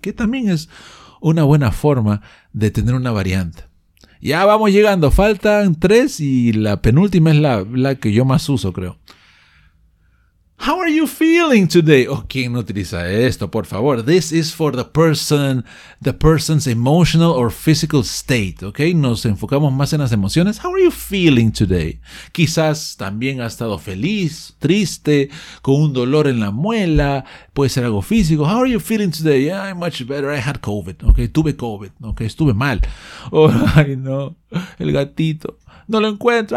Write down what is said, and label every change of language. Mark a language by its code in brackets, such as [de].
[es] Que también es una buena forma de tener una variante. Ya vamos llegando. Faltan 3 y la penúltima es la que yo más uso, creo. [en] How are you feeling today? Oh, [es] ¿quién no utiliza esto? Por favor. [en] This is for the person's emotional or physical state. [es] ¿Ok? Nos enfocamos más en las emociones. [en] How are you feeling today? [es] Quizás también ha estado feliz, triste, con un dolor en la muela. Puede ser algo físico. [en] How are you feeling today? Yeah, I'm much better. I had COVID. ¿Ok? [es] Tuve COVID. [en] ¿Ok? [es] Estuve mal. Oh, ay, no. El gatito. No lo encuentro.